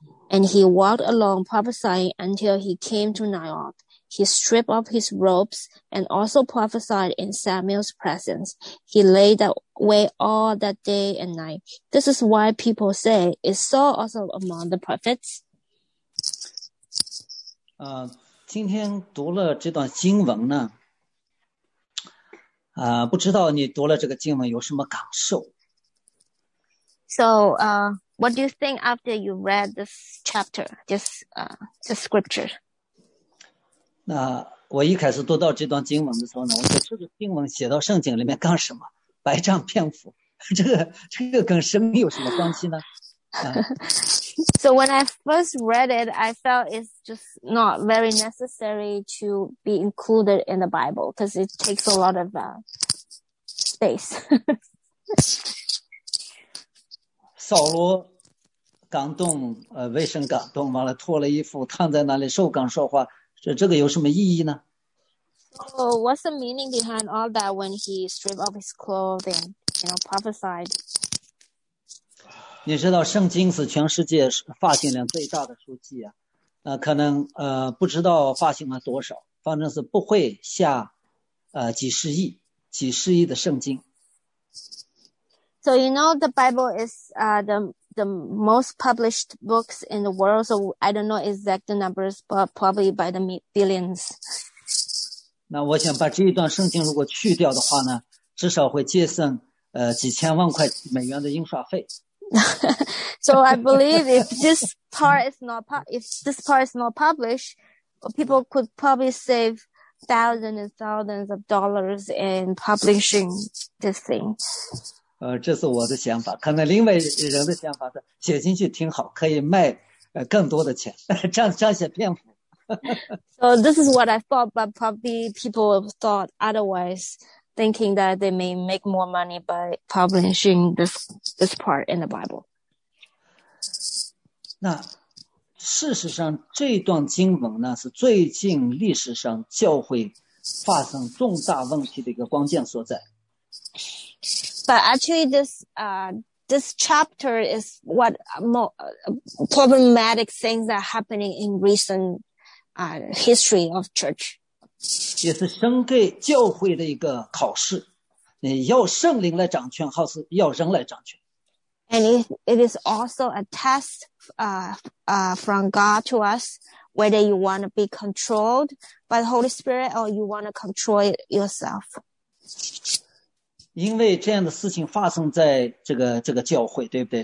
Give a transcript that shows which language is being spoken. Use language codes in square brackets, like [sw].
[en] And he walked along prophesying until he came to Naoth. He stripped off his robes and also prophesied in Samuel's presence. He lay that way all that day and night. This is why people say, is Saul also among the prophets? [zh] 今天读了这段经文呢，不知道你读了这个经文有什么感受 [en] ？So, what do you think after you read this chapter, this scripture? [zh] 那我一开始读到这段经文的时候呢，我说这个经文写到圣经里面干什么？百丈篇幅，这个跟神有什么关系呢？ [en] So when I first read it, I felt it's just not very necessary to be included in the Bible because it takes a lot of space. [zh] 扫罗感动，为神感动，完了脱了衣服，躺在那里受感说话，这个有什么意义呢 [en] ？So what's the meaning behind all that when he stripped off his clothing, you know, prophesied? [zh] 你知道圣经是全世界发行量最大的书籍啊，可能不知道发行了多少，反正是不会下几十亿的圣经。 [en] So you know the Bible is the most published books in the world, so I don't know exact numbers, but probably by the billions. [zh] 那我想把这一段圣经如果去掉的话呢，至少会节省几千万块美元的印刷费。 [en] So I believe if this part is not published, people could probably save thousands and thousands of dollars in publishing this thing. [zh] 这是我的想法，可能另外人的想法是写进去挺好，可以卖更多的钱，彰显篇幅。 [en] So this is what I thought, but probably people thought otherwise. Thinking that they may make more money by publishing this part in the Bible. [zh] 那事实上，这段经文呢是最近历史上教会发生重大问题的一个关键所在。 [en] But actually, this chapter is what problematic things are happening in recent history of church. [zh] 也是神给教会的一个考试，你要圣灵来掌权，还是要人来掌权 [en] ？And it is also a test, from God to us, whether you want to be controlled by the Holy Spirit or you want to control it yourself. [zh] 因为这样的事情发生在这个教会，对不对？